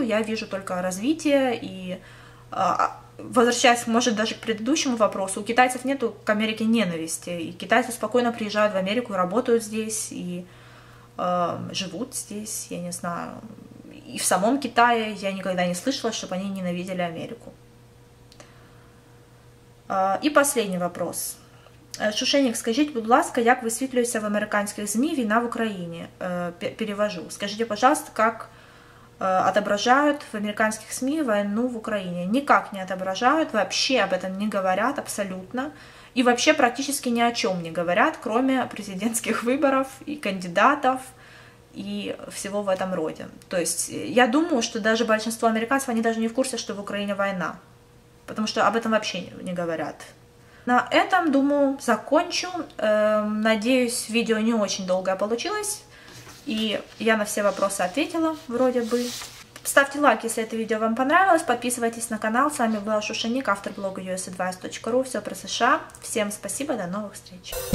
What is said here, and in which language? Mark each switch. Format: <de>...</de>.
<ru>Я вижу только развитие и, возвращаясь, может, даже к предыдущему вопросу, у китайцев нету к Америке ненависти. И китайцы спокойно приезжают в Америку, работают здесь и живут здесь, я не знаю. И в самом Китае я никогда не слышала, чтобы они ненавидели Америку. И последний вопрос.</ru> <uk>Шушенік, скажіть, будь ласка, як висвітлюється в американських ЗМІ війна в Україні? Перевожу. Скажіть, будь ласка, як відображають в американських ЗМІ війну в Україні? Ніяк не відображають, взагалі об цьому не говорять абсолютно. І взагалі практично ні о чому не говорять, крім президентських виборів і кандидатів і всього в цьому роді. Тобто, я думаю, що навіть більшість американців, вони навіть не в курсі, що в Україні війна. Тому що об цьому взагалі не говорять.</uk> <ru>На этом, думаю, закончу. Надеюсь, видео не очень долгое получилось. И я на все вопросы ответила, вроде бы. Ставьте лайк, если это видео вам понравилось. Подписывайтесь на канал. С вами была Шушенік, автор блога usadvice.ru. Все про США. Всем спасибо, до новых встреч.</ru>